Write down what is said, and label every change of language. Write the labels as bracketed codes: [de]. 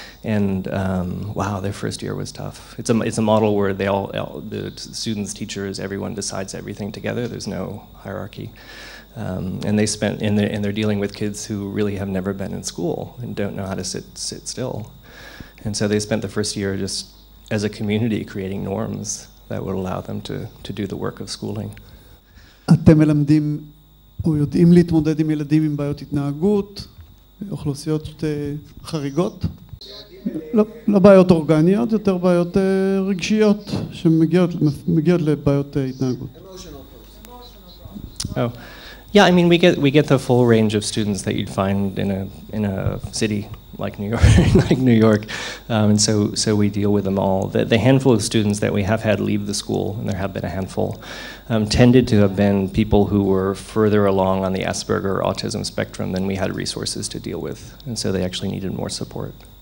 [en] And their first year was tough. It's a model where they all the students, teachers, everyone decides everything together. There's no hierarchy. And they're dealing with kids who really have never been in school and don't know how to sit still. And so they spent the first year just as a community creating norms that would allow them to do the work of schooling. [he] אתם מלמדים או יודעים להתמודד עם ילדים עם בעיות התנהגות, אוכלוסיות חריגות? לא בעיות אורגניות, יותר בעיות רגשיות שמגיעות לבעיות התנהגות. [en] Oh. Yeah, I mean we get the full range of students that you'd find in a city like New York, and so we deal with them all. The handful of students that we have had leave the school, and there have been a handful, tended to have been people who were further along on the Asperger autism spectrum than we had resources to deal with, and so they actually needed more support.